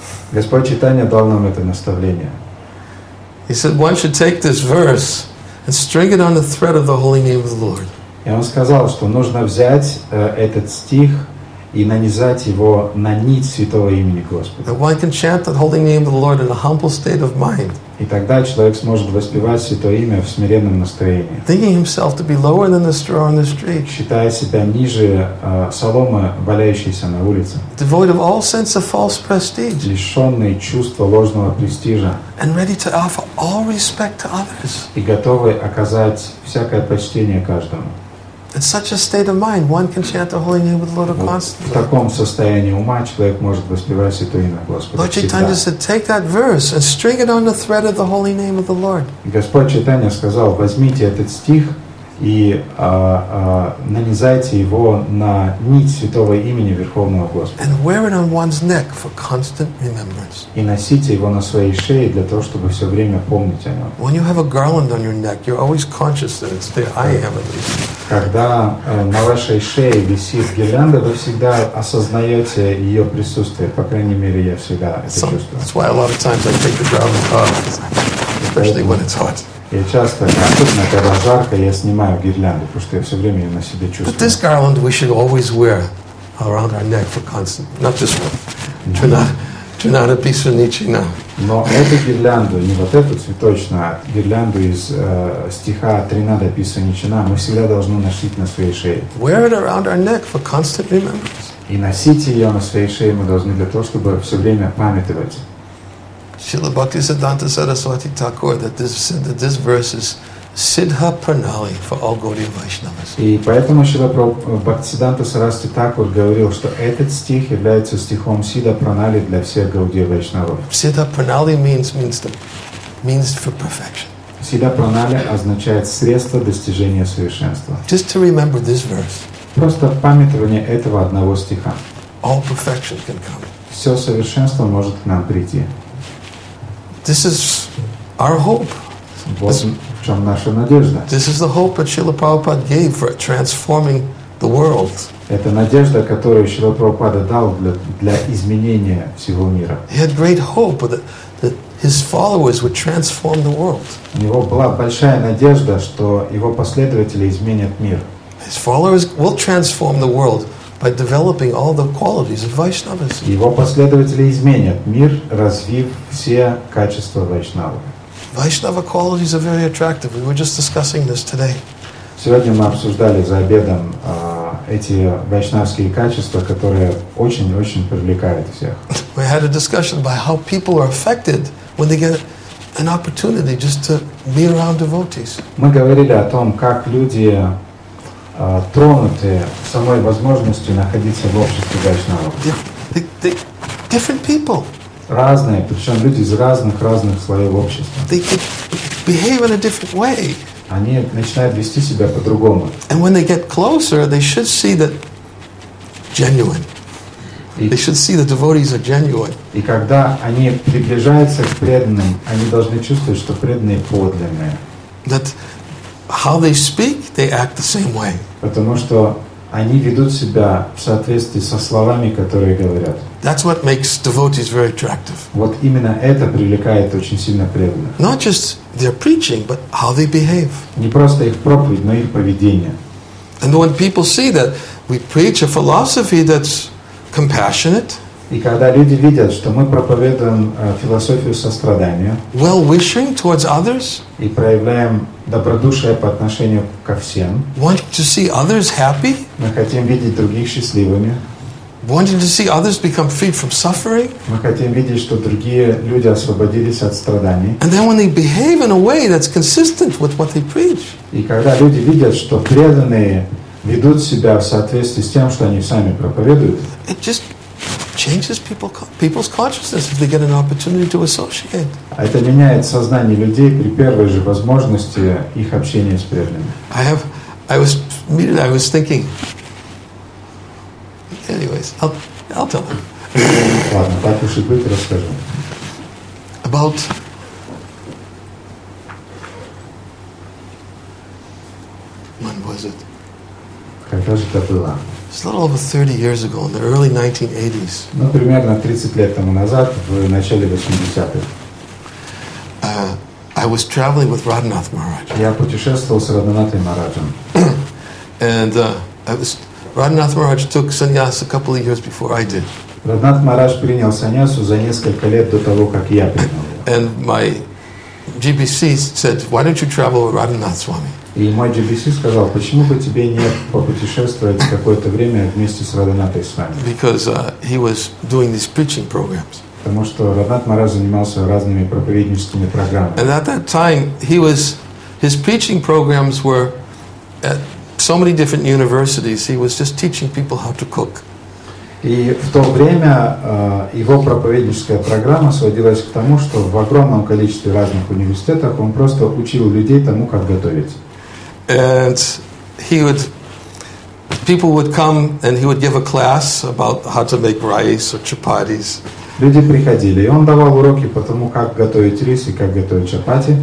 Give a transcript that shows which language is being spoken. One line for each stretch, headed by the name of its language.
Russian: Господь Чайтанья дал нам это наставление.
English: He said one should take this verse and string it on the thread of the holy name of the Lord.
Russian: И он сказал, что нужно взять этот стих и нанизать его на нить святого имени Господа.
English: One can chant the holy name of the Lord in a humble state of mind.
Russian: И тогда человек сможет воспевать святое имя в смиренном настроении.
English: Thinking himself to be lower than the straw on the street.
Russian: Считая себя ниже соломы, валяющейся на улице.
English: Devoid of all sense of false prestige.
Russian: Лишенный чувства ложного престижа.
English: And ready to offer all respect to others.
Russian: И готовый оказать всякое почтение каждому.
English: In such a state of mind, one can chant the holy name of the Lord constantly.
Russian: В таком состоянии ума человек может воспевать святое имя Господа.
English: Lord Chaitanya said, "Take that verse and string it on the thread of the holy name of the Lord."
Russian: Господь Чайтанья сказал, возьмите этот стих и нанизайте его на нить святого имени Верховного Господа.
English: And wear it on one's neck for constant remembrance.
Russian: И носите его на своей шее для того, чтобы все время помнить о нем.
English: When you have a garland on your neck, you're always conscious that it's there. I am at least.
Russian: Когда на вашей шее висит гирлянда, вы всегда осознаете ее присутствие. По крайней мере, я всегда это чувствую.
English: That's why a lot of times I take the garland off, especially when it's hot.
Russian: Я часто, особенно когда жарко, я снимаю гирлянду, потому что я все время ее на себе чувствую.
English: But this garland we should always wear around our neck for constant, not this one.
Sanskrit: Trinada Pisu Nechina.
Russian: Но эту гирлянду, не вот эту цветочную, а гирлянду из стиха Trinada Pisu Nechina, мы всегда должны носить на своей шее.
English: Wear it around our neck for constant remembrance.
Russian: И носить ее на своей шее мы должны для того, чтобы все время памятовать.
English: Srila Bhaktisiddhanta Saraswati Thakur that this verse is Siddha Pranali for all Gaudiya Vaishnavas.
Russian: И поэтому Шрила Бхактисиддханта Сарасвати Такур говорил, что этот стих является стихом Сидха Пранали для всех Гаудия Вайшнавов.
English: Siddha Pranali means for perfection.
Russian: Сидха Пранали означает средство достижения совершенства.
English: Just to remember this verse.
Russian: Просто памятование этого одного стиха.
English: All perfection can come.
Russian: все совершенство может к нам прийти.
English: This is our hope.
Russian: Вот в чем наша надежда.
English: This is the hope that Srila Prabhupada gave for transforming the world.
Russian: Это надежда, которую Шрила Прабхупада дал для изменения всего мира.
English: He had great hope that his followers would transform the world.
Russian: У него была большая надежда, что его последователи изменят мир.
English: His followers will transform the world by developing all the qualities of Vaishnavas.
Russian: Его последователи изменят мир, развив все качества Вайшнава.
English: Vaishnava qualities are very attractive. We were just discussing this today.
Russian: Сегодня мы обсуждали за обедом эти вайшнавские качества, которые очень-очень привлекают всех.
English: We had a discussion about how people are affected when they get an opportunity just to be around devotees.
Russian: Мы говорили о том, как люди тронуты самой возможностью находиться в обществе вайшнавов.
English: Different people.
Russian: Разные, причем люди из разных слоев общества.
English: They behave in a different way.
Russian: Они начинают вести себя по-другому.
English: And when they get closer, they should see that genuine. They should see the devotees are genuine.
Russian: И когда они приближаются к преданным, они должны чувствовать, что преданные подлинные.
English: That how they speak, they act the same way.
Russian: Потому что они ведут себя в соответствии со словами, которые говорят.
English: That's what makes devotees very attractive.
Russian: Вот именно это привлекает очень сильно преданных.
English: Not just their preaching, but how they behave.
Russian: Не просто их проповедь, но их поведение.
English: And when people see that we preach a philosophy that's compassionate,
Russian: и когда люди видят, что мы проповедуем философию сострадания,
English: well-wishing towards others,
Russian: и проявляем добродушие по отношению ко всем,
English: want to see others happy,
Russian: мы хотим видеть других счастливыми,
English: wanting to see others become free from suffering,
Russian: мы хотим видеть, что другие люди освободились от страданий,
English: and then when they behave in a way that's consistent with what they preach,
Russian: и когда люди видят, что преданные ведут себя в соответствии с тем, что они сами проповедуют,
English: it just changes people's consciousness if they get an opportunity to associate.
Russian: Это меняет сознание людей при первой же возможности их общения с преданными.
English: I was thinking. Anyways, I'll tell them.
Russian: Ладно, так уж и быть, расскажу.
English: About when was it?
Russian: Когда же это было?
English: It's a little over 30 years ago, in the early 1980s.
Russian: Ну, примерно 30 лет тому назад, в начале 80-х.
English: I was traveling with Radhanath Maharaj.
Russian: Я путешествовал с Радханатой Махараджем.
English: And Radhanath Maharaj took sannyas a couple of years before I did.
Russian: Radhanath Maharaj принял саньясу за несколько лет до того, как я принял ее.
English: And my GBC said, why don't you travel with Radhanath Swami?
Russian: И мой GBC сказал, почему бы тебе не попутешествовать какое-то время вместе с Радханатой Свами?
English: Because he was doing these preaching programs.
Russian: Потому что Радханат Махарадж занимался разными проповедническими программами.
English: And at that time, his preaching programs were at so many different universities. He was just teaching people how to cook.
Russian: И в то время его проповедническая программа сводилась к тому, что в огромном количестве разных университетов он просто учил людей тому, как готовить.
English: And people would come and he would give a class about how to make rice or chapatis.
Russian: Люди приходили, и он давал уроки по тому, как готовить рис и как готовить чапати.